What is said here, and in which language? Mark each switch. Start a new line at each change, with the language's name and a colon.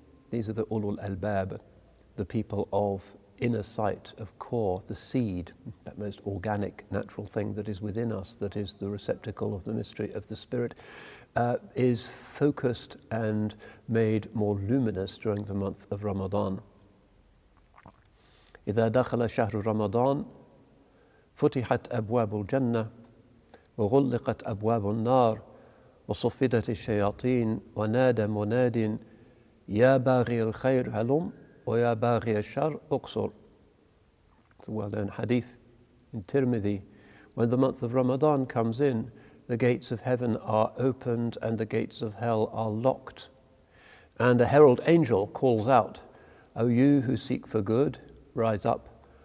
English: These are the ulul albab, the people of inner sight, of core, the seed, that most organic, natural thing that is within us, that is the receptacle of the mystery of the spirit, is focused and made more luminous during the month of Ramadan.
Arabic: إِذَا دَخَلَ شَهْرُ رَمَضَانَ فُتِحَتْ أَبْوَابُ الْجَنَّةِ وَغُلِّقَتْ أَبْوَابُ النَّارِ وصفدت الشياطين ونادى مناد يا باغي الخير هلم ويا باغي الشر اقصر.
English: It's a well-known hadith in Tirmidhi. When the month of Ramadan comes in, the gates of heaven are opened and the gates of hell are locked. And a herald angel calls out, O you who seek for good, rise up.